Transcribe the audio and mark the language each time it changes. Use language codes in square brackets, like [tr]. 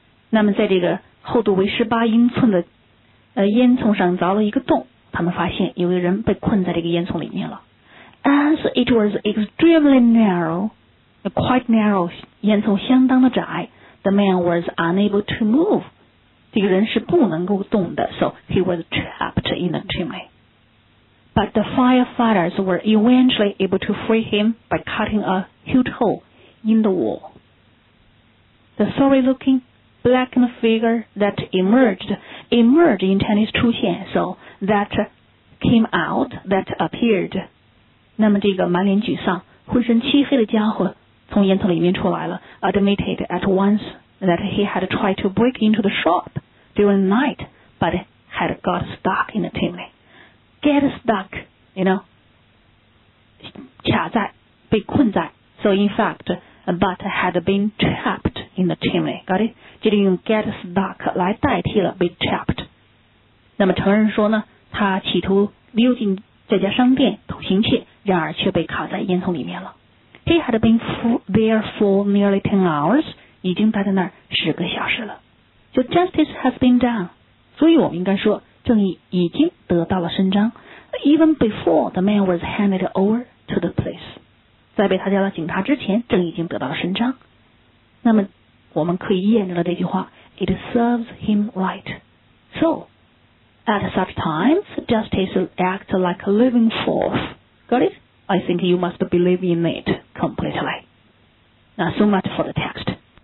[zh] 那么在这个厚度为18英寸的烟囱上凿了一个洞，他们发现有个人被困在这个烟囱里面了。 [en] As it was extremely narrow, quite narrow, [zh] 烟囱相当的窄， [en] the man was unable to move. [zh] 这个人是不能够动的， [en] so he was trapped in the chimney. But the firefighters were eventually able to free him by cutting a huge hole. In the wall. The sorry looking blackened figure that emerged in Chinese 出现 so that came out, that appeared. [zh] 那么这个满脸沮丧浑身漆黑的家伙从烟囱里面出来了 [en] admitted at once that he had tried to break into the shop during the night but had got stuck in the chimney. Get stuck, you know, [zh] 卡在被困在 [en] so in factBut had been trapped in the chimney. Got it? [zh] 这里用 get stuck 来代替了 be trapped. 那么成人说呢，他企图溜进这家商店偷行窃，然而却被卡在烟囱里面了。 [en] He had been there for nearly 10 hours. [zh] 已经待在那儿十个小时了。 [en] So justice has been done. [zh] 所以我们应该说正义已经得到了伸张。 [en] Even before the man was handed over to the police. [zh] 在被他交到警察之前正义已经得到了伸张。那么我们可以验证了这句话 [en] It serves him right. So, at such times, justice acts like a living force. Got it? I think you must believe in it completely. Now, so much for the text.